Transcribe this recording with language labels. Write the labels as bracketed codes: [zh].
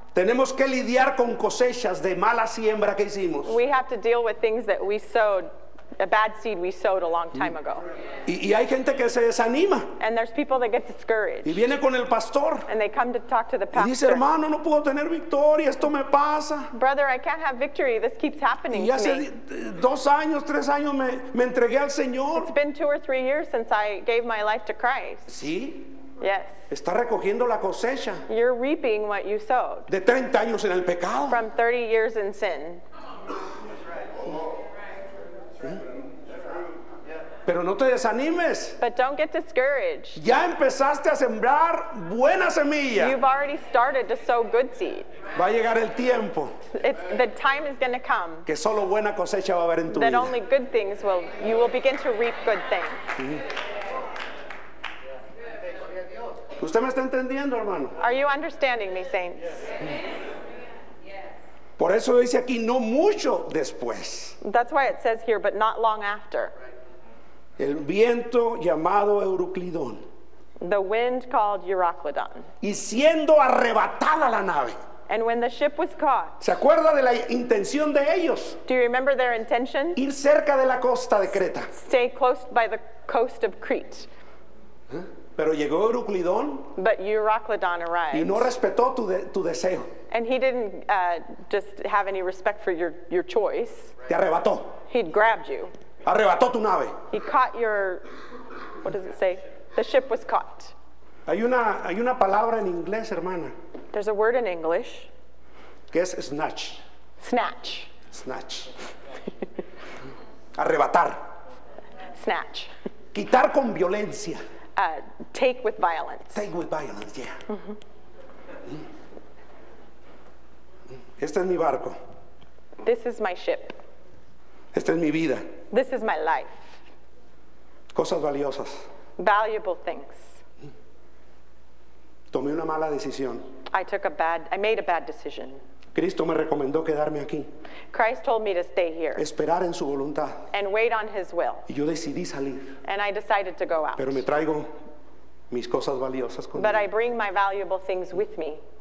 [es] tenemos que lidiar con cosechas de mala siembra que hicimos. [en] We have to deal with things that we sowed, a bad seed we sowed a long time ago. [es] Y hay gente que se desanima. [en] And there's people that get discouraged. [es] Y viene con el pastor. [en] And they come to talk to the pastor. [es] Y dice, hermano, no puedo tener victoria, esto me pasa. [en] Brother, I can't have victory, this keeps happening to me. [es] Y hace 2 años, 3 años me entregué al Señor. [en] It's been 2 or 3 years since I gave my life to Christ. [es] Sí. [en] Yes. [es] Está recogiendo la cosecha. [en] You're reaping what you sowed. [es] De 30 años en el pecado. [en] From 30 years in sin. [es] Pero no te desanimes. [en] But don't get discouraged. [es] Ya empezaste a sembrar buena semilla. [en] You've already started to sow good seed. [es] Va a llegar el tiempo. [en] It's, the time is going to come. [es] Que solo buena cosecha va a haber en tu [en] that [es] vida. [en] Only good things will, you will begin to reap good things. [es] ¿Usted me está entendiendo, hermano? [en] Are you understanding me, saints? Yes. [es] Por eso dice aquí, no mucho después. [en] That's why it says here, but not long after. [es] El viento llamado Euroclidón. [en] The wind called Euroclidón. [es] Y siendo arrebatada la nave. [en] And when the ship was caught. [es] ¿Se acuerda de la intención de ellos? [en] Do you remember their intention? [es] Ir cerca de la costa de Creta. [en] Stay close by the coast of Crete. [es] Pero llegó Euroclidón. [en] But Euroclidón arrived. [es] Y no respetó tu deseo. [en] And he didn't just have any respect for your choice. [es] Te arrebató. [en] He grabbed you. [es] Arrebató tu nave. [en] He caught your, what does it say? The ship was caught. [es] Hay una palabra en inglés, hermana. [en] There's a word in English. [es] Que es snatch. [en] Snatch. [es] Snatch. Arrebatar. [en] Snatch. [es] Quitar con violencia. [en] Take with violence. Take with violence, yeah. Mm-hmm. [es] Este es mi barco. [en] This is my ship. [es] Esta es mi vida. [en] This is my life. [es] Cosas valiosas. [en] Valuable things. [es] Tomé una mala decisión. [en] I made a bad decision. [es] Cristo me recomendó quedarme aquí. [en] Christ told me to stay here. [es] Esperar en su voluntad. [en] And wait on his will. [es] Y yo decidí salir. [en] And I decided to go out. [es] Pero me traigo mis cosas valiosas conmigo. [en] But I bring my valuable things with me.